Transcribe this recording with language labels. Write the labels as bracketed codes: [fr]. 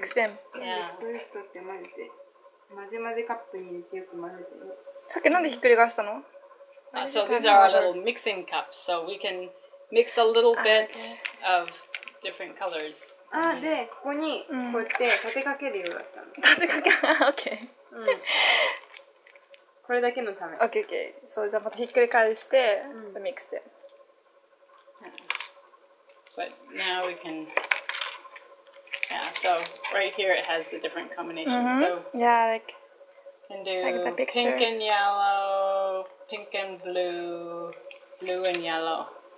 [ja] スプリストって混ぜて、混ぜ混ぜカップに入れてよく混ぜてる。さっきなんでひっくり返したの？ [en] So these are our little mixing cups, so we can mix a little bit of different colors. [ja] あ、で、ここに、こうやって立てかけるようだったの。立てかけ、OK。これだけのため。 OK、OK。そう、じゃあまたひっくり返して、ミックスで。 [en] But now we can... Yeah, so right here it has the different combinations, so... Yeah, like... Can do pink and yellow, pink and blue, blue and yellow.